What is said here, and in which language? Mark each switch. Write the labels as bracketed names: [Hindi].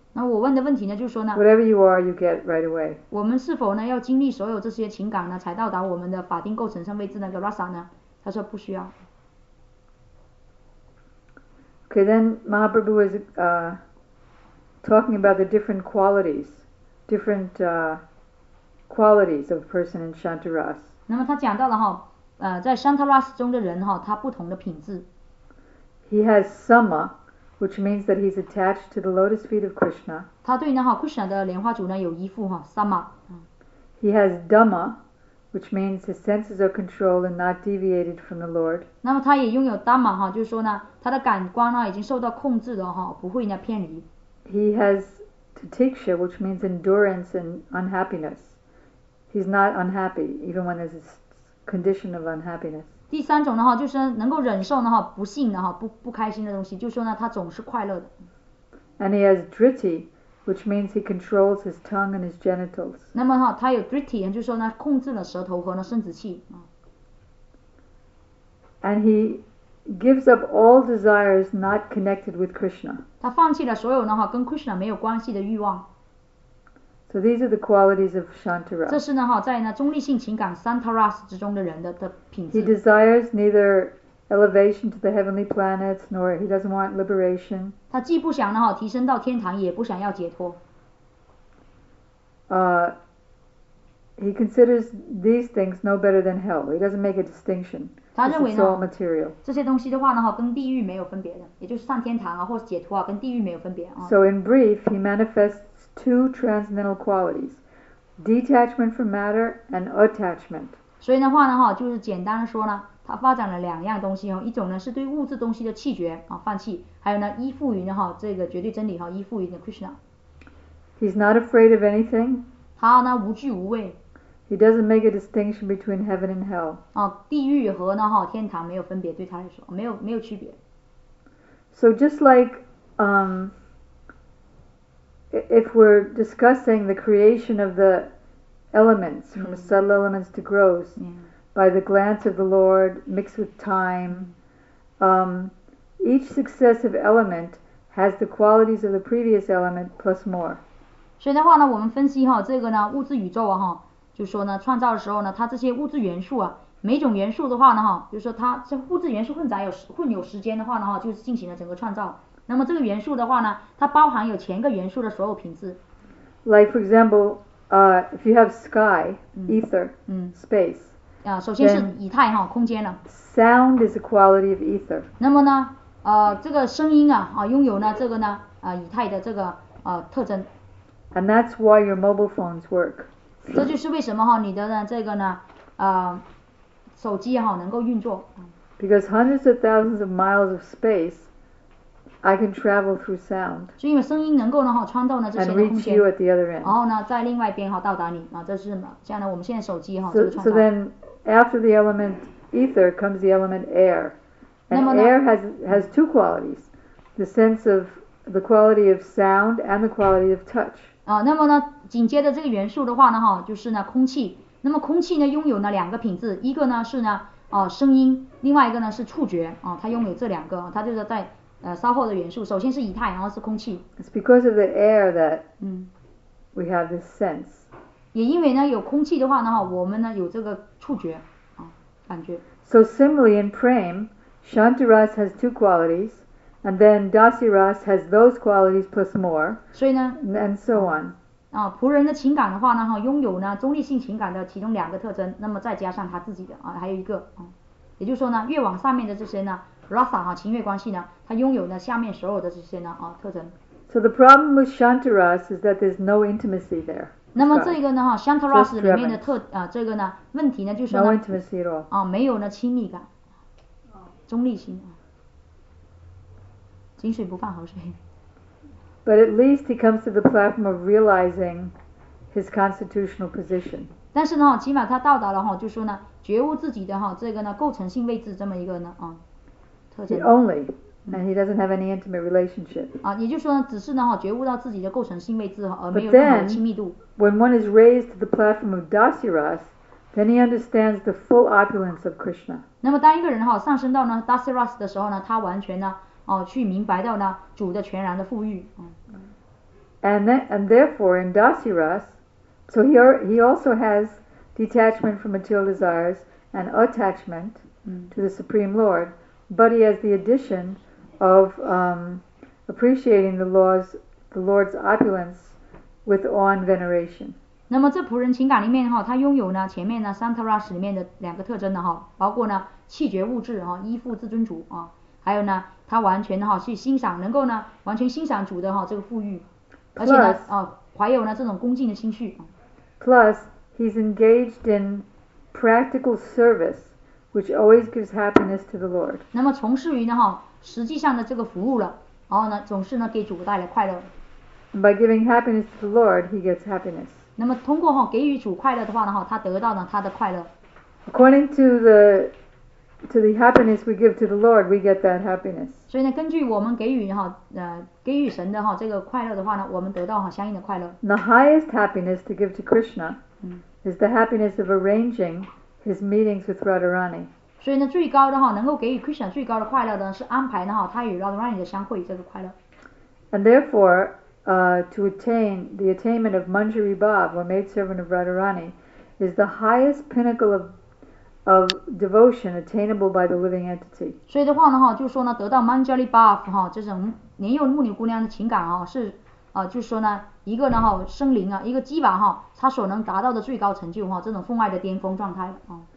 [Chinese] 那我问的问题呢，就是说呢 [English] ，Whatever you are, you get right away. [Chinese] 我们是否呢要经历所有这些情感呢，才到达我们的法定构成上位置那个 rasa 呢？他说不需要。 [English] Okay, then Mahaprabhu is talking about the different qualities, qualities of a person in Shantaras. [Chinese] 那么他讲到了哈，在 Shantaras 中的人哈，他不同的品质。 [English] He has sama, which means that he's attached to the lotus feet of Krishna. [Chinese] 他对呢哈 Krishna 的莲花主呢有依附哈 sama。 [English] He has dhamma, which means his senses are controlled and not deviated from the Lord. [Chinese] 那么他也拥有 dhamma 哈，就是说呢。他的感官呢已经受到控制了哈，不会呢偏离。 [English] He has tatiksha, which means endurance and unhappiness. He's not unhappy even when there's a condition of unhappiness. [Chinese] 第三种的话就是能够忍受的话不幸的哈不开心的东西，就是、说呢他总是快乐的。 [English] And he has dhriti, which means he controls his tongue and his genitals. [Chinese] 那么哈他有 dhriti， 就是说呢控制了舌头和呢生殖器。 [English] And he gives up all desires not connected with Krishna. [Chinese] 他放弃了所有呢哈跟 Krishna 没有关系的欲望。 [English] So these are the qualities of Shantaras. [Chinese] 这是呢哈在呢中立性情感 Santaras 之中的人的品质。 [English] He desires neither elevation to the heavenly planets nor he doesn't want liberation. [Chinese] 他既不想呢哈提升到天堂，也不想要解脱。 [English] He considers these things no better than hell. He doesn't make a distinction. [Chinese] 他认为呢， [English] it's all material. [Chinese] 这些东西的话呢，哈，跟地狱没有分别的，也就是上天堂啊，或者解脱啊，跟地狱没有分别啊。 [English] So in brief, he manifests two transcendental qualities: detachment from matter and attachment. [Chinese] 所以的话呢，哈，就是简单的说呢，他发展了两样东西哈，一种呢是对物质东西的弃绝啊，放弃，还有呢依附于呢哈这个绝对真理哈，依附于的 Krishna. [English] He's not afraid of anything. [Chinese] 他呢无惧无畏。 [English] He doesn't make a distinction between heaven and hell. [Chinese] 啊，地狱和呢哈天堂没有分别，对他来说没有区别。 [English] So just like if we're discussing the creation of the elements from subtle elements to gross by the glance of the Lord mixed with time, each successive element has the qualities of the previous element plus more. [Chinese] 所以的话呢，我们分析哈这个呢物质宇宙啊哈。就说呢创造的时候呢它这些物质元素啊每种元素的话呢哈就是说它这物质元素混有时间的话呢哈就是进行了整个创造那么这个元素的话呢它包含有前个元素的所有品质 [English] like for example if you have sky ether space [Chinese] 首先是以太哈空间了。 [English] Sound is a quality of ether. [Chinese] 那么呢，这个声音啊，拥有呢这个呢，以太的这个特征。 [English] And that's why your mobile phones work. [Chinese] 这就是为什么哈，你的呢这个呢，手机哈能够运作。 [English] Because hundreds of thousands of miles of space, I can travel through sound. [Chinese] 是因为声音能够呢哈穿透呢这些空间。 [English] And reach you at the other end. [Chinese] 然后呢，在另外一边哈到达你啊，这是什么？像呢我们现在手机哈这个穿透。 [English] So then after the element ether comes the element air. And air has two qualities, the sense of the quality of sound and the quality of touch. [Chinese] 啊，那么呢，紧接着这个元素的话呢，哈，就是呢空气。那么空气呢，拥有呢两个品质，一个呢是呢声音，另外一个呢是触觉啊，它拥有这两个，它就是在稍后的元素，首先是以太，然后是空气。 [English] It's because of the air that we have this sense. [Chinese] 也因为呢有空气的话呢，哈，我们呢有这个触觉啊感觉。 [English] So similarly in Prem, Shantaras has two qualities. And then Dasiras has those qualities plus more. [Chinese] 所以呢 [English] and so on. [Chinese] 啊，仆人的情感的话呢，哈，拥有呢中立性情感的其中两个特征，那么再加上他自己的啊，还有一个啊，也就是说呢，越往上面的这些呢 ，Rasa 哈，情欲关系呢，他拥有呢下面所有的这些呢啊特征。 [English] So the problem with Shantaras is that there's no intimacy there. [Chinese] 那么这个呢哈 ，Shantaras 里面的特啊这个呢问题呢就是呢 [English] ，No intimacy at all. [Chinese] 啊，没有呢亲密感，中立性。井水不犯河水。 [English] But at least he comes to the platform of realizing his constitutional position. [Chinese] 但是呢，起码他到达了哈，就说呢，觉悟自己的哈这个呢构成性位置这么一个呢啊特征。 [English] Only, and he doesn't have any intimate relationship. [Chinese] 啊，也就是说呢，只是呢哈觉悟到自己的构成性位置哈，而没有任何亲密度。 [English] But then, when one is raised to the platform of Dasiras, then he understands the full opulence of Krishna. [Chinese] 那么当一个人哈上升到呢 Dasiras 的时候呢，他完全呢。哦，去明白到呢主的全然的富裕。 [English] And therefore in Dasiras, so he also has detachment from material desires and attachment to the Supreme Lord, but he has the addition of appreciating the Lord's opulence with awe and veneration. [Chinese] 那么这仆人情感里面哈，他拥有呢前面呢 Santaras 里面的两个特征的哈，包括呢弃绝物质哈，依附至尊主啊，还有呢。他完全哈去欣赏，能够呢完全欣赏主的哈这个富裕， [English] plus, [Chinese] 而且呢怀有呢这种恭敬的心绪。 [English] Plus, he's engaged in practical service, which always gives happiness to the Lord. [Chinese] 那么从事于呢哈实际上的这个服务了，然后呢总是呢给主带来快乐。 [English] By giving happiness to the Lord, he gets happiness. [Chinese] 那么通过哈给予主快乐的话呢哈，他得到呢他的快乐。 [English] According to the happiness we give to the Lord, we get that happiness. [Chinese] 所以呢，根据我们给予哈，给予神的哈这个快乐的话呢，我们得到哈相应的快乐。 [English] The highest happiness to give to Krishna is the happiness of arranging his meetings with Radharani. [Chinese] 所以呢，最高的哈能够给予 Krishna 最高的快乐的是安排呢哈他与 Radharani 的相会这个快乐。 [English] And therefore, to attain the attainment of Manjari Bhav, or maid servant of Radharani, is the highest pinnacle of devotion attainable by the living entity. [Chinese] 所以的话呢哈，就说呢，得到 Manjari Bhav 哈这种年幼牧女姑娘的情感啊，是就是说呢，一个呢哈生灵啊，一个姬娃哈，她所能达到的最高成就哈，这种分外的巅峰状态啊。